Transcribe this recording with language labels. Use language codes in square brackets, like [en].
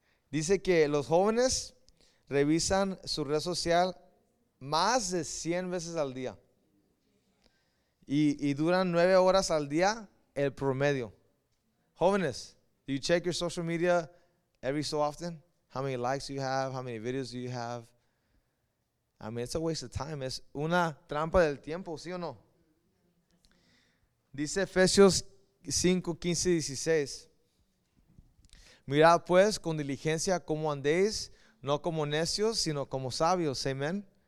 [es] Dice que los jóvenes revisan su red social más de 100 veces al día. Y duran 9 horas al día el promedio. [en] Jóvenes, do you check your social media every so often? How many likes do you have? How many videos do you have? I mean, it's a waste of time. [es] Es una trampa del tiempo, ¿sí o no? Dice Efesios 5, 15, 16. Mirad pues con diligencia cómo andéis, no como necios, sino como sabios. Amén.